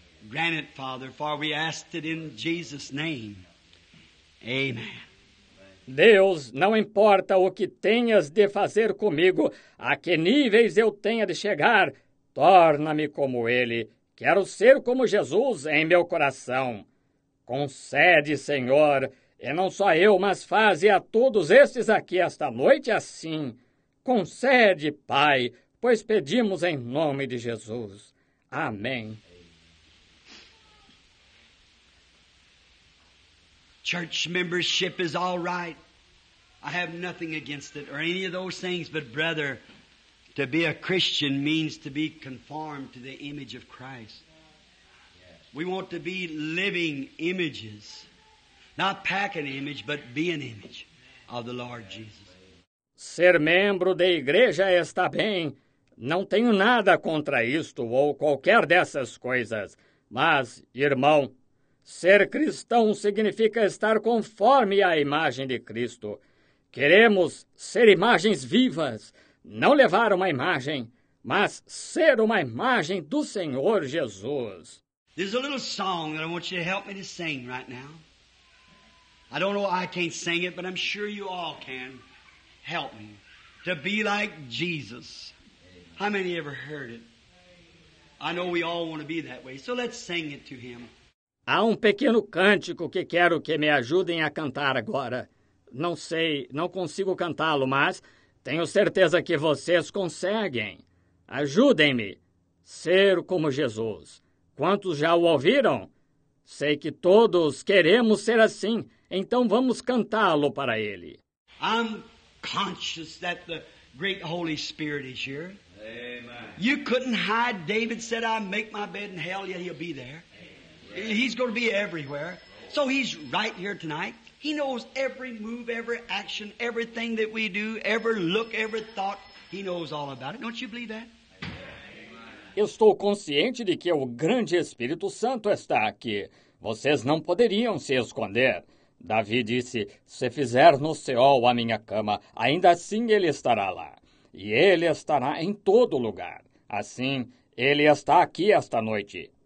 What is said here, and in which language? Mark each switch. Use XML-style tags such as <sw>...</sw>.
<en>Grant it, Father, for we asked it in Jesus' name. Amen.</en> <pt>Deus, não importa o que tenhas de fazer comigo, a que níveis eu tenha de chegar, torna-me como Ele. Quero ser como Jesus em meu coração. Concede, Senhor, e não só eu, mas faze a todos estes aqui esta noite assim. Concede, Pai, pois pedimos em nome de Jesus. Amém.</pt> <en>Church membership is all right. I have nothing against it or any of those things, but brother, to be a Christian means to be conformed to the image of Christ. We want to be living images, not pack an image, but be an image of the Lord Jesus.</en> <pt>Ser membro da igreja está bem. Não tenho nada contra isto ou qualquer dessas coisas, mas, irmão, ser cristão significa estar conforme à imagem de Cristo. Queremos ser imagens vivas, não levar uma imagem, mas ser uma imagem do Senhor Jesus.</pt> <en>There's a little song that I want you to help me to sing right now. I don't know why I can't sing it, but I'm sure you all can. Help me. To be like Jesus. How many ever heard it? I know we all want to be that way, so let's sing it to Him.</en> <pt>Há um pequeno cântico que quero que me ajudem a cantar agora. Não sei, não consigo cantá-lo, mas tenho certeza que vocês conseguem. Ajudem-me. Ser como Jesus. Quantos já o ouviram? Sei que todos queremos ser assim, então vamos cantá-lo para Ele.</pt> <en>I'm conscious that the great Holy Spirit is here. Amen. You couldn't hide. David said, I make my bed in hell, yet He'll be there. He's going to be everywhere. So He's right here tonight. He knows every move, every action, everything that we do, every look, every thought. He knows all about it. Don't you believe that?</en> <pt>Estou consciente de que o grande Espírito Santo está aqui. Vocês não poderiam se esconder. Davi disse, se fizer no Seol a minha cama, ainda assim Ele estará lá. E Ele estará em todo lugar. Assim, Ele está aqui esta noite.</pt>